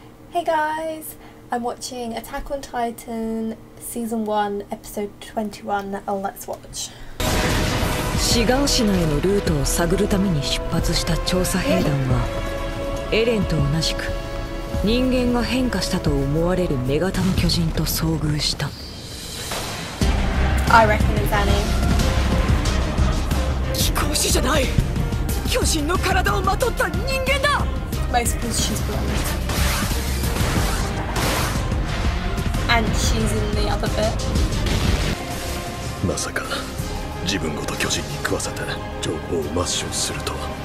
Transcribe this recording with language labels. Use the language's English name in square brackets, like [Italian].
[English] Hey guys, I'm watching Attack on Titan Season 1, Episode 21. Oh, let's watch. [Japanese] シガオ市内のルートを探るために出発した調査兵団は、エレンと同じく人間が変化したと思われる女型の巨人と遭遇した。 [English] I reckon it's Annie。 [Japanese] 飛行士じゃない、巨人の体をまとった人間だ。 [English] I suppose she's blonde and she's in the other bit。 [Japanese] まさか自分ごと巨人に食わせて情報を抹消するとは。